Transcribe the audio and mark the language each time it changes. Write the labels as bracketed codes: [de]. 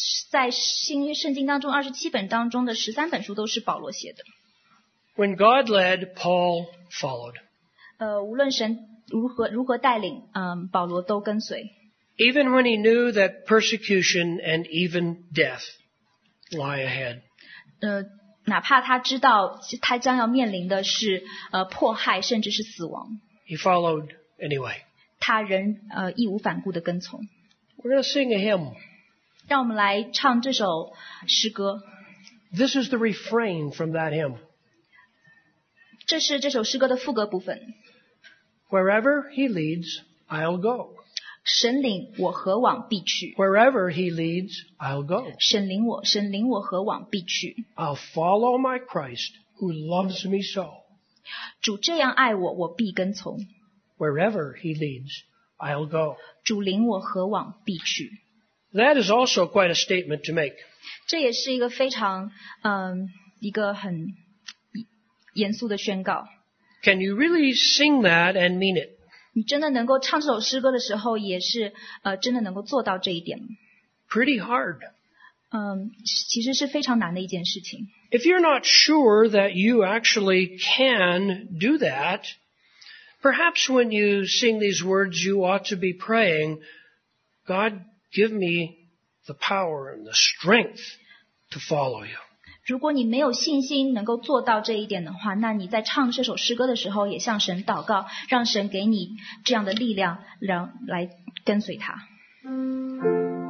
[zh] 在新约圣经当中27本当中的13本书都是保罗写的。 [en] When God led, Paul followed. [zh] 无论神如何带领，保罗都跟随。 [en] Even when he knew that persecution and even death lie ahead. [zh] 哪怕他知道他将要面临的是迫害甚至是死亡。 [en] He followed anyway. [zh] 他仍义无反顾的跟从。 [en] We're going to sing a hymn. [zh] 让我们来唱这首诗歌。 [en] This is the refrain from that hymn. [zh] 这是这首诗歌的副歌部分。 [en] Wherever he leads, I'll go. [zh] 神领我何往必去。 [en] Wherever he leads, I'll go. [zh] 神领我，神领我何往必去。 [en] I'll follow my Christ who loves me so. [zh] 主这样爱我，我必跟从。 [en] Wherever he leads, I'll go. [zh] 主领我何往必去。 [en] That is also quite a statement to make. [zh] 这也是一个非常一个很严肃的宣告。 [en] Can you really sing that and mean it? [zh] 你真的能够唱这首诗歌的时候也是真的能够做到这一点吗？ [en] Pretty hard. [zh] 其实是非常难的一件事情。 [en] If you're not sure that you actually can do that, perhaps when you sing these words, you ought to be praying, God, give me the power and the strength to follow you. [zh] 如果你没有信心能够做到这一点的话，那你在唱这首诗歌的时候也向神祷告，让神给你这样的力量，来跟随他。